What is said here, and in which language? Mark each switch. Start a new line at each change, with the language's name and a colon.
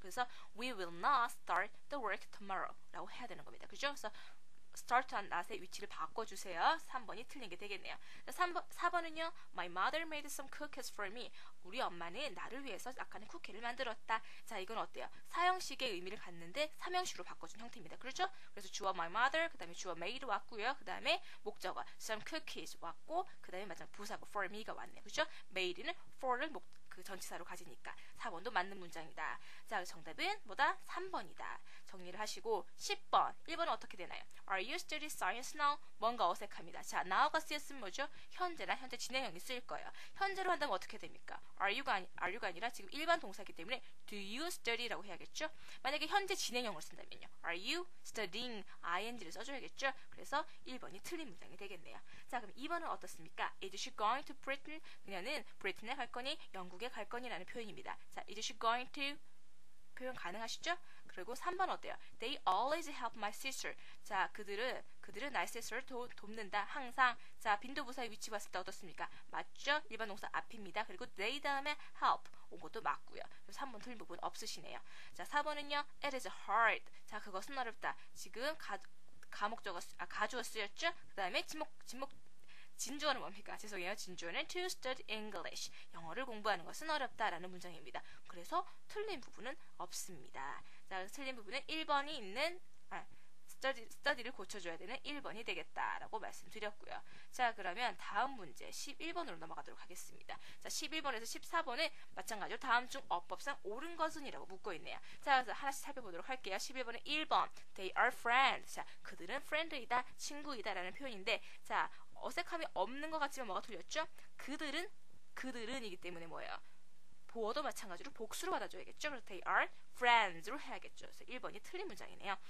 English: 그래서 we will not start the work tomorrow라고
Korean: 해야 되는 겁니다. 그죠? 그래서 start on not의 위치를 바꿔주세요. 3번이 틀린 게 되겠네요. 4번은요.
English: My mother made some cookies for me.
Korean: 우리 엄마는 나를 위해서 약간의 쿠키를 만들었다. 자, 이건 어때요? 사형식의 의미를 갖는데 삼형식으로 바꿔준 형태입니다. 그렇죠? 그래서 주어 my mother, 그 다음에 주어 made 왔고요. 그 다음에 목적어 some cookies 왔고, 그 다음에 마지막 부사고 for me가 왔네요. 그렇죠? made는 for를 그 전치사로 가지니까 4번도 맞는 문장이다. 자, 정답은 뭐다? 3번이다. 정리를 하시고 10번. 1번은 어떻게 되나요?
English: Are you studying science now?
Korean: 뭔가 어색합니다. 자, now가 쓰였으면 뭐죠? 현재나 현재 진행형이 쓰일 거예요. 현재로 한다면 어떻게 됩니까? Are you가 아니라 지금 일반 동사이기 때문에
English: do you study
Korean: 라고 해야겠죠? 만약에 현재 진행형을 쓴다면요.
English: Are you studying?
Korean: ing를 써줘야겠죠? 그래서 1번이 틀린 문장이 되겠네요. 자, 그럼 2번은 어떻습니까?
English: Is she going to Britain?
Korean: 그녀는 브리튼에 갈 거니? 영국에 갈 거니라는 표현입니다. 자, is she going to 표현 가능하시죠? 그리고 3번 어때요?
English: They always help my sister.
Korean: 자, 그들은 나의 sister를 돕는다. 항상. 자, 빈도 부사의 위치 봤을 때 어떻습니까? 맞죠? 일반 동사 앞입니다. 그리고 they 다음에 help 온 것도 맞고요. 그래서 3번 틀린 부분 없으시네요. 자, 4번은요.
English: It is hard.
Korean: 자, 그것은 어렵다. 지금 가주어 쓰였죠? 그 다음에 진주어는 뭡니까? 죄송해요. 진주어는
English: to study English.
Korean: 영어를 공부하는 것은 어렵다라는 문장입니다. 그래서 틀린 부분은 없습니다. 자, 틀린 부분은 1번이 있는 study를 고쳐줘야 되는 1번이 되겠다라고 말씀드렸고요. 자, 그러면 다음 문제 11번으로 넘어가도록 하겠습니다. 자, 11번에서 14번은 마찬가지로 다음 중 어법상 옳은 것은 이라고 묻고 있네요. 자, 그래서 하나씩 살펴보도록 할게요. 11번은 1번
English: they are friends.
Korean: 자, 그들은 friend이다, 친구이다 라는 표현인데, 자, 어색함이 없는 것 같지만 뭐가 틀렸죠? 그들은이기 때문에 뭐예요? 보어도 마찬가지로 복수로 받아줘야겠죠? 그래서
English: they are friends
Korean: 로 해야겠죠. 그래서 1번이 틀린 문장이네요.